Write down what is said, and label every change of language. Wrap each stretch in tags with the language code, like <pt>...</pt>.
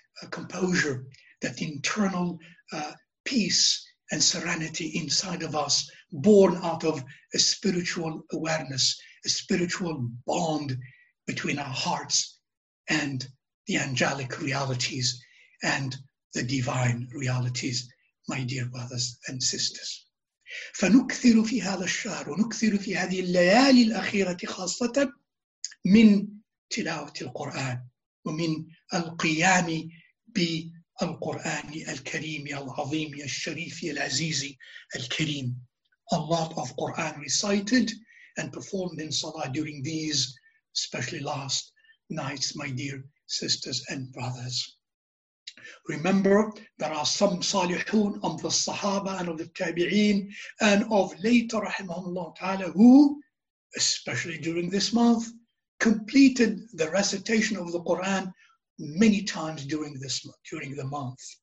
<en>composure, that internal peace and serenity inside of us, born out of a spiritual awareness, a spiritual bond between our hearts and the angelic realities and the divine realities my dear brothers and sisters.</en> <ar>فنكثر في هذا الشهر ونكثر في هذه الليالي الأخيرة خاصة من تلاوة القرآن ومن القيام بالقرآن الكريم العظيم الشريف العزيز الكريم.</ar> <en>A lot of Quran recited and performed in Salah during these, especially last nights, my dear sisters and brothers. Remember, there are some salihun of the Sahaba and of the Tabi'een and of later, rahimahullah ta'ala, who, especially during this month, completed the recitation of the Quran many times during the month.</en>